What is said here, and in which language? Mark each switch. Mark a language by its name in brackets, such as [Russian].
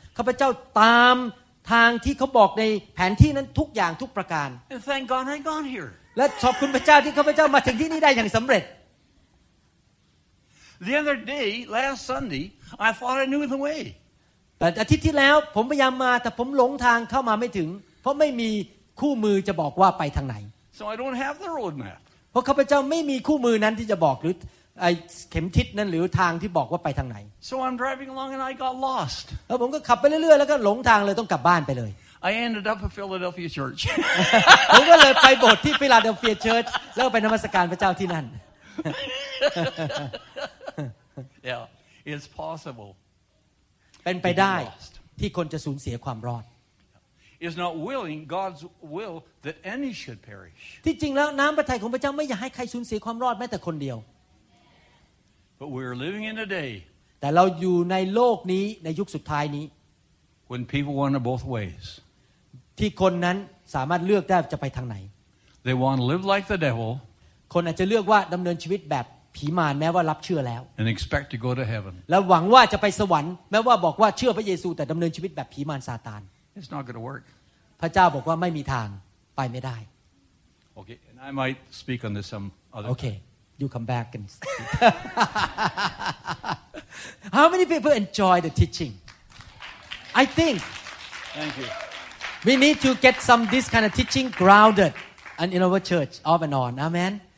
[Thai] ข้าพเจ้าตามทางที่เขาบอกในแผนที่นั้นทุกอย่างทุกประการ [English] And thank God I got here. [Thai] และขอบคุณพระเจ้าที่ข้าพเจ้ามาถึงที่นี่ได้อย่างสำเร็จ [English] The other day, last Sunday, I thought I knew the way. [Thai] แต่อาทิตย์ที่แล้วผมพยายามมาแต่ผมหลงทางเข้ามาไม่ถึงเพราะไม่มีคู่มือจะบอกว่าไปทางไหน [English] So I don't have the road map. [Thai] เพราะข้าพเจ้าไม่มีคู่มือนั้นที่จะบอกหรือไอ้เข็มทิศนั่นหรือทางที่บอกว่าไปทางไหน [English] So I'm driving along and I got lost [Thai] แล้วผมก็ขับไปเรื่อยๆแล้วก็หลงทางเลยต้องกลับบ้านไปเลย [English] I ended up at Philadelphia Church [Thai] ผมก็เลยไปโบสถ์ที่ Philadelphia Church แล้วไปนมัสการพระเจ้าที่นั่น [English] Yeah it's possible [Thai] เป็นไปได้ที่คนจะสูญเสียความรอด [English] Is not willing God's will that any should perish [Thai] ที่จริงแล้วน้ำพระทัยของพระเจ้าไม่อยากให้ใครสูญเสียความรอดแม้แต่คนเดียว [English] But we're living in a day. [Thai] แต่เราอยู่ในโลกนี้ในยุคสุดท้ายนี้ [English] When people want both ways. [Thai] ที่คนนั้นสามารถเลือกได้จะไปทางไหน [English] They want to live like the devil. [Thai] คนอาจจะเลือกว่าดำเนินชีวิตแบบผีมารแม้ว่ารับเชื่อแล้ว [English] And expect to go to heaven. [Thai] แล้วหวังว่าจะไปสวรรค์แม้ว่าบอกว่าเชื่อพระเยซูแต่ดำเนินชีวิตแบบผีมารซาตาน [English] It's not going to work. [Thai] พระเจ้าบอกว่าไม่มีทางไปไม่ได้ [English] Okay, and I might speak on this some other. Okay. You come back and how many people enjoy the teaching? I think. Thank you. We need to get some this kind of teaching grounded, and in our church, off and on. Amen.